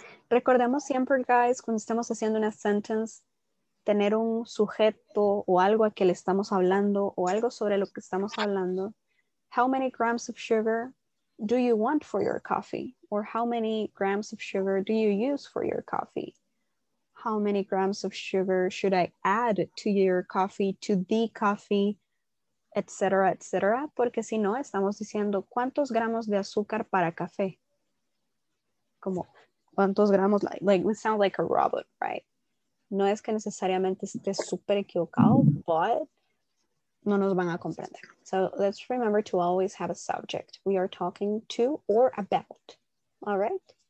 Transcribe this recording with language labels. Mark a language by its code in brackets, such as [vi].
[es] Recordemos siempre, guys, cuando estamos haciendo una sentence, tener un sujeto o algo a que le estamos hablando o algo sobre lo que estamos hablando. [en] How many grams of sugar do you want for your coffee? Or how many grams of sugar do you use for your coffee? How many grams of sugar should I add to your coffee, to the coffee, etc., etc.? [es] Porque si no, estamos diciendo cuántos gramos de azúcar para café. Como cuántos gramos, [en] like we sound like a robot, right? [es] No es que necesariamente esté súper equivocado, but no nos van a comprender. [en] So let's remember to always have a subject we are talking to or about, all right?